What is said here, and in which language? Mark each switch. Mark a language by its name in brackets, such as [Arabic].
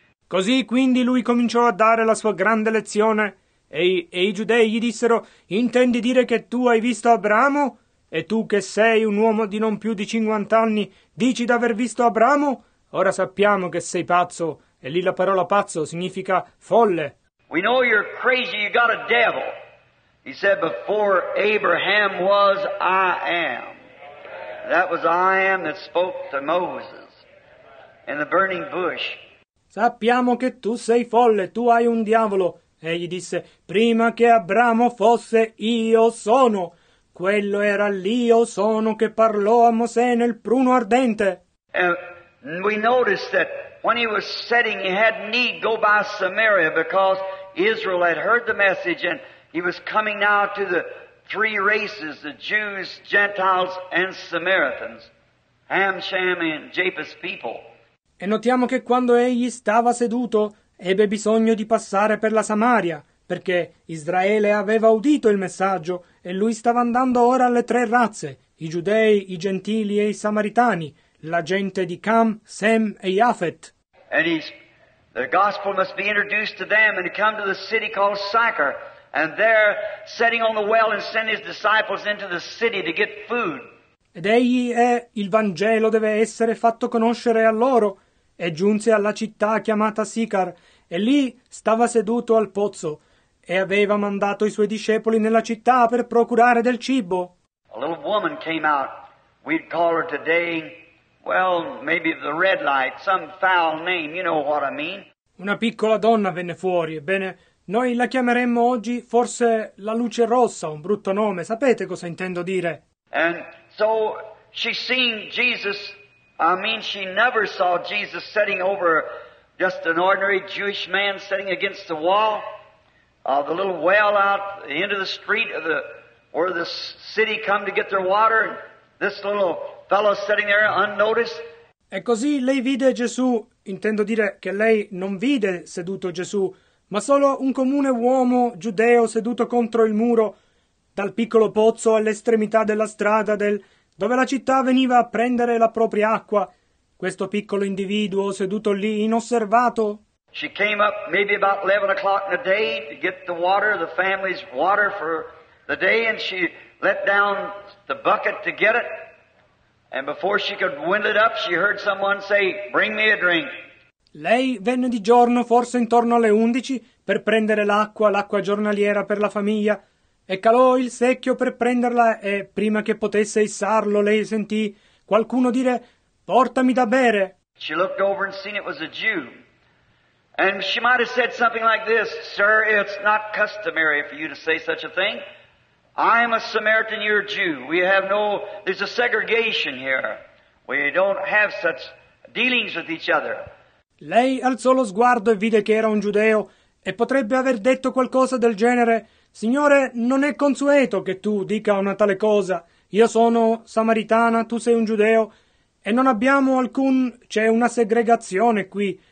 [Italian] Così quindi lui cominciò a dare la sua grande lezione, e i giudei gli dissero, intendi dire che tu hai visto Abramo? E tu che sei un uomo di non più di 50 anni, dici d'aver visto Abramo? Ora sappiamo che sei pazzo, e lì la parola pazzo significa folle. [English] We know you're crazy, you got a devil. He said, before Abraham was, I am. That was I am that spoke to Moses in the burning bush. [Italian] Sappiamo che tu sei folle, tu hai un diavolo. Egli disse, prima che Abramo fosse, io sono. Quello era l'io sono che parlò a Mosè nel pruno ardente. [English] We noticed that when he was setting, he had need go by Samaria, because Israel had heard the message, and he was coming now to the three races, the Jews, Gentiles, and Samaritans, Ham, Shem, and Japheth's people. [Italian] E notiamo che quando egli stava seduto, ebbe bisogno di passare per la Samaria, perché Israele aveva udito il messaggio, e lui stava andando ora alle tre razze, i Giudei, i Gentili e i Samaritani, la gente di Cam, Sem e Yafet. [English] And the gospel must be introduced to them, and come to the city called Sychar, and there, sitting on the well, and send his disciples into the city to get food. [Italian] Ed egli è, il Vangelo deve essere fatto conoscere a loro, e giunse alla città chiamata Sicar, e lì stava seduto al pozzo, e aveva mandato i suoi discepoli nella città per procurare del cibo. [English] A little woman came out, we'd call her today, well, maybe the red light, some foul name, you know what I mean. [Italian] Una piccola donna venne fuori, ebbene, noi la chiameremmo oggi forse la luce rossa, un brutto nome, sapete cosa intendo dire? [English] And so she seen Jesus, I mean she never saw Jesus sitting over just an ordinary Jewish man sitting against the wall. of the little well out into the street of the where the city come to get their water, and this little fellow sitting there unnoticed. [Italian] E così lei vide Gesù, intendo dire che lei non vide seduto Gesù, ma solo un comune uomo giudeo seduto contro il muro, dal piccolo pozzo all'estremità della strada dove la città veniva a prendere la propria acqua, questo piccolo individuo seduto lì inosservato. [English] She came up maybe about 11 o'clock in the day to get the water, the family's water for the day, and she let down the bucket to get it. And before she could wind it up, she heard someone say, "Bring me a drink." [Italian] Lei venne di giorno, forse intorno alle 11, per prendere l'acqua giornaliera per la famiglia, e calò il secchio per prenderla, e prima che potesse issarlo, lei sentì qualcuno dire, "Portami da bere." [English] She looked over and seen it was a Jew. And she might have said something like this, "Sir, it's not customary for you to say such a thing. I'm a Samaritan, you're a Jew. There's a segregation here. We don't have such dealings with each other." [Italian] Lei alzò lo sguardo e vide che era un giudeo e potrebbe aver detto qualcosa del genere, "Signore, non è consueto che tu dica una tale cosa. Io sono samaritana, tu sei un giudeo e non abbiamo c'è una segregazione qui.